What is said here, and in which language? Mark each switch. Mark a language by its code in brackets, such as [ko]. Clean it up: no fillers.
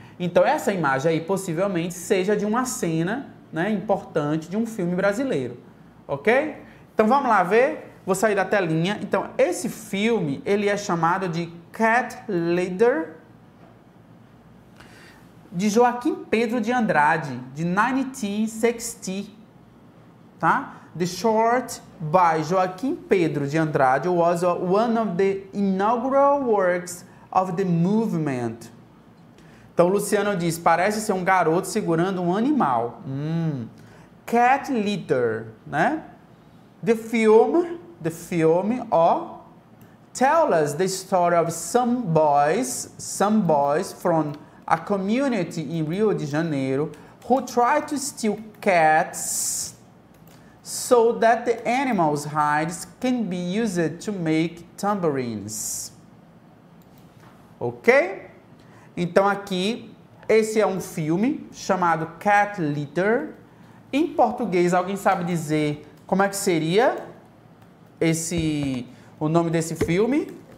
[pt] Então, essa imagem aí, possivelmente, seja de uma cena, né, importante de um filme brasileiro. Ok? Então, vamos lá ver? Vou sair da telinha. Então, esse filme, ele é chamado de Cat Lady, de Joaquim Pedro de Andrade, de 1960, tá? [en] The short by Joaquim Pedro de Andrade was one of the inaugural works of the movement. [pt] Então, Luciano diz, parece ser um garoto segurando um animal. [en] Cat litter, né? The film, tell us the story of some boys from a community in Rio de Janeiro who tried to steal cats so that the animals' hides can be used to make tambourines. [pt] Ok? Então aqui, esse é um filme chamado Cat Litter. Em português, alguém sabe dizer como é que seria esse, o nome desse filme?